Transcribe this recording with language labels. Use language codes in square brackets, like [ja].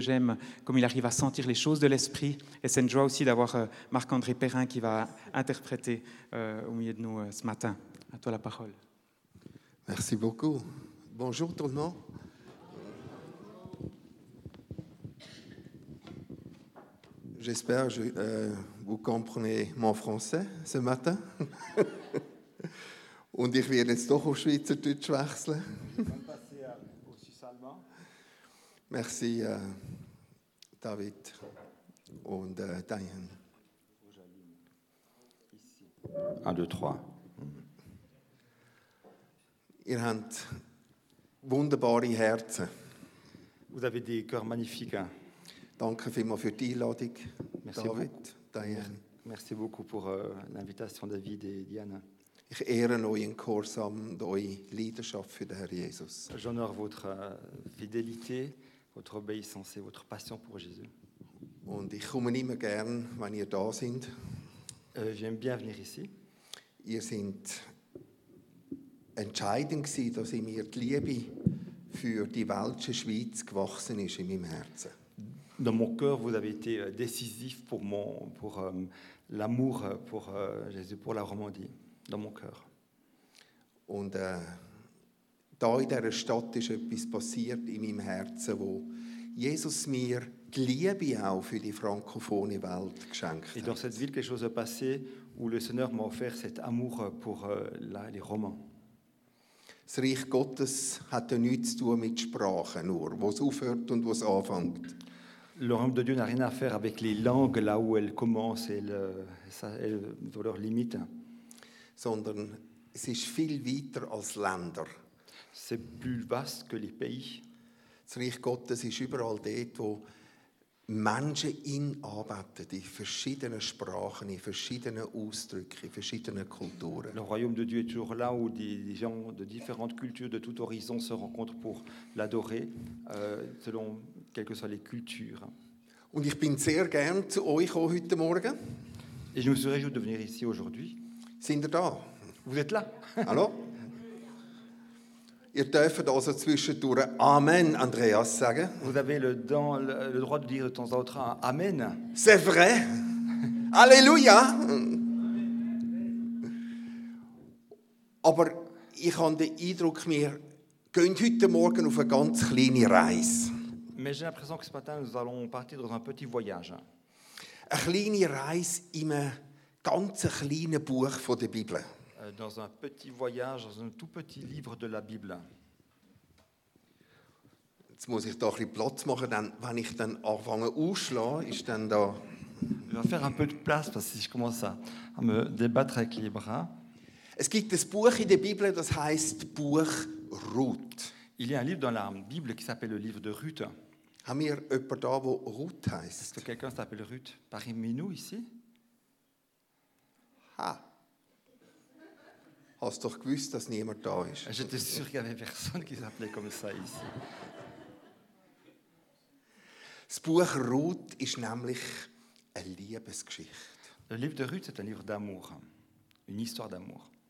[fr] J'aime comme il arrive à sentir les choses de l'esprit. Et c'est une joie aussi d'avoir Marc-André Perrin qui va interpréter au milieu de nous ce matin. À toi la parole. Merci beaucoup. Bonjour tout le monde. J'espère que vous comprenez mon français ce matin. [de] Und ich werde jetzt doch auf Schweizerdeutsch wechseln. Merci David und Diane. 1, 2, 3. Ihr habt wunderbare Herzen. [fr] Vous avez des cœurs magnifiques. [de] Danke vielmals für die Einladung, [fr] merci David, beaucoup. Diane. Merci beaucoup pour l'invitation, David et Diane. [de] Ich ehre euch im Gehorsam und eure Leidenschaft für den Herr Jesus. [fr] J'honore votre fidélité, votre obéissance et votre passion pour Jésus. [de] Und ich komme immer gern, wenn ihr da seid. [fr] J'aime bien venir ici. [de] Ihr seid entscheidend gewesen, dass in mir die Liebe für die welsche Schweiz gewachsen ist in meinem Herzen. [fr] Dans mon cœur, vous avez été décisif pour l'amour pour Jésus, pour la Romandie, dans mon cœur. [de] Und da in dieser Stadt ist etwas passiert in meinem Herzen, wo Jesus mir die Liebe auch für die frankophone Welt geschenkt hat. [fr] Et dans cette ville, quelque chose est passé où le Seigneur m'a offert cet amour pour les Romains. [de] Das Reich Gottes hat ja nichts zu tun mit Sprachen nur, wo es aufhört und wo es anfängt. [fr] Le royaume de Dieu n'a rien à faire avec les langues là où elles commencent et dans leurs limites. [de] Sondern es ist viel weiter als Länder. [fr] C'est plus vaste que les pays. [de] Das Reich Gottes ist überall dort, wo Menschen ihn anbeten, in verschiedenen Sprachen, in verschiedenen Ausdrücken, in verschiedenen Kulturen. [fr] Le royaume de Dieu est toujours là où des gens de différentes cultures, de tout horizon se rencontrent pour l'adorer, selon quelles que soient les cultures. [de] Und ich bin sehr gern zu euch auch heute Morgen. [fr] Et je me suis réjoui de venir ici aujourd'hui. [de] Sind ihr da? [fr] Vous êtes là. Allô? [de] Ihr dürft also zwischendurch Amen, Andreas, sagen. [fr] Vous avez le droit de dire de temps en temps Amen. C'est vrai. Alléluia. [de] Aber ich habe den Eindruck, wir gehen heute Morgen auf eine ganz kleine Reise. [fr] Mais j'ai l'impression que ce matin, nous allons partir dans un petit voyage. [de] Eine kleine Reise in einem ganz kleinen Buch von der Bibel. [fr] Dans un petit voyage, dans un tout petit livre de la Bible. [de] Jetzt muss ich da ein bisschen Platz machen, denn wenn ich dann anfange ausschlage, ist dann da... [fr] Je vais faire un peu de place, parce que je commence à me débattre avec les bras. [de] Es gibt ein Buch in der Bibel, das heißt Buch Ruth. [fr] Il y a un livre dans la Bible qui s'appelle le livre de Ruth. [de] Haben wir jemanden da, wo Ruth heißt? [fr] Est-ce que quelqu'un s'appelle Ruth parmi nous ici? Ha! [de] Hast du doch gewusst, dass niemand da ist? [fr] J'étais sûr qu'il y avait personne qui s'appelait comme ça ici. [de] Das Buch Ruth ist nämlich eine Liebesgeschichte. [fr] Le livre de Ruth, c'est un livre d'amour, une histoire d'amour.